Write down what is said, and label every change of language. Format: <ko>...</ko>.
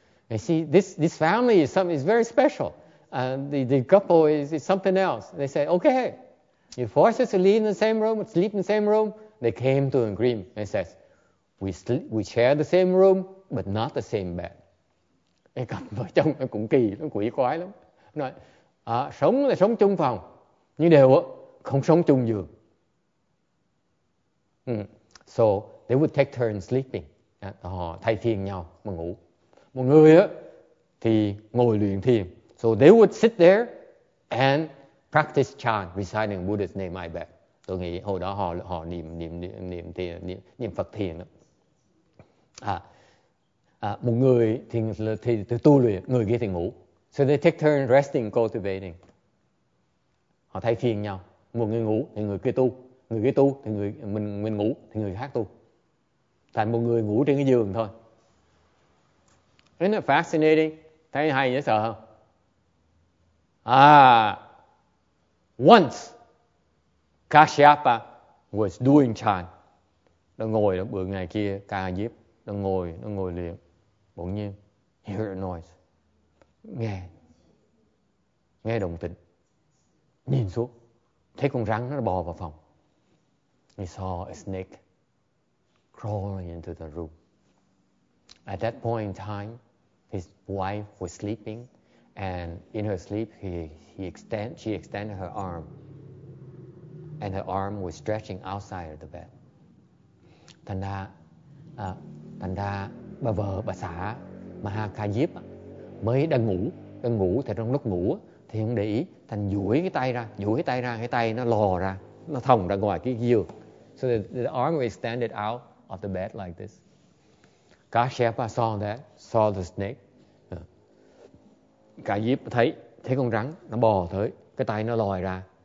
<en>You see, this family is something is very special. The couple is something else. They say, okay, you force us to live in the same room, sleep in the same room. They came to an agreement. They says, we share the same room, but not the same bed.</en> <vi>Cái cặp vợ chồng nó cũng kỳ lắm, quỷ quái lắm. Nói, sống là sống chung phòng, nhưng đều không sống chung giường.</vi> <en>So they would take turns sleeping.</en> <vi>Họ thay phiên nhau mà ngủ. Một người thì ngồi luyện thiền.</vi> <en>So they would sit there and practice chant, reciting Buddha's name, I bet.</en> <vi>Tôi nghĩ hồi đó họ niệm Phật thiền đó. Một người thì tu luyện, người kia thì ngủ.</vi> <en>So they take turns resting, cultivating.</en> <vi>Họ thay phiên nhau. Một người ngủ thì người kia tu. Người kia tu thì người mình ngủ thì người khác tu. Tại một người ngủ trên cái giường thôi.</vi> <en>Isn't it fascinating?</en> <vi>Thấy hay dễ sợ không?</vi> <en>Once, Kashyapa was doing chant.</en> <vi>Nó ngồi đó, bữa ngày kia, ca diếp. Nó ngồi liền. Bỗng nhiên,</vi> <en>he heard a noise.</en> <vi>Nghe động tĩnh. Nhìn xuống, thấy con rắn nó bò vào phòng.</vi> <en>He saw a snake crawling into the room. At that point in time, his wife was sleeping, And in her sleep, she extended her arm, and her arm was stretching outside of the bed.</en> <vi>Thành ra, thành ra bà vợ bà xã Mahakayip mới đang ngủ thì trong lúc ngủ thì không để ý, thành duỗi cái tay ra, cái tay nó lò ra, nó thòng ra ngoài cái giường.</vi> <en>So the arm was extended out of the bed like this. Kashyapa saw that, saw the snake.</en> <vi>Kayip thấy con rắn nó bò tới, cái tay nó lòi ra.</vi>